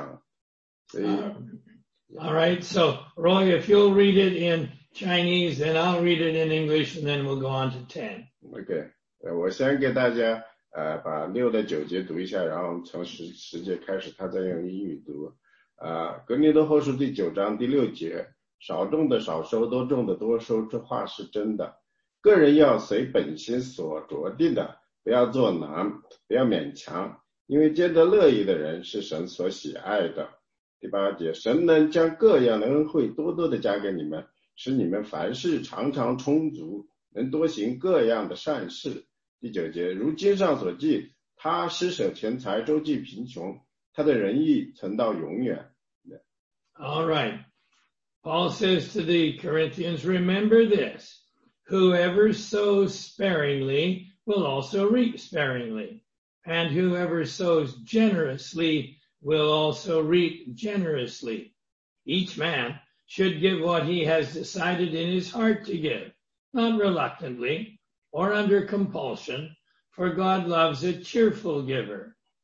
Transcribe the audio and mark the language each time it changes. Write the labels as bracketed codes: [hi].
[zh] 所以我们要把六到九节，然后上星期讲了，我们读一下，然后读完了，我们从第十节开始讲。所以， [en] All right, so Roy, if you'll read it in Chinese, then I'll read it in English, and then we'll go on to 10. [zh] Okay, 我先给大家把六到九节读一下，然后从十节开始，他再用英语读。格林多后书第九章第六节，少种的少收都种的多收，这话是真的。个人要随本心所着定的，不要做难，不要勉强，因为见得乐意的人是神所喜爱的。第八节，神能将各样的恩惠多多的加给你们，使你们凡事常常充足，能多行各样的善事。第九节，如今上所记，他施舍钱财，周济贫穷，他的仁义存到永远。 [en] All right. Paul says to the Corinthians, remember this, whoever sows sparingly will also reap sparingly, and whoever sows generously will also reap generously. Each man should give what he has decided in his heart to give, not reluctantly or under compulsion, for God loves a cheerful giver.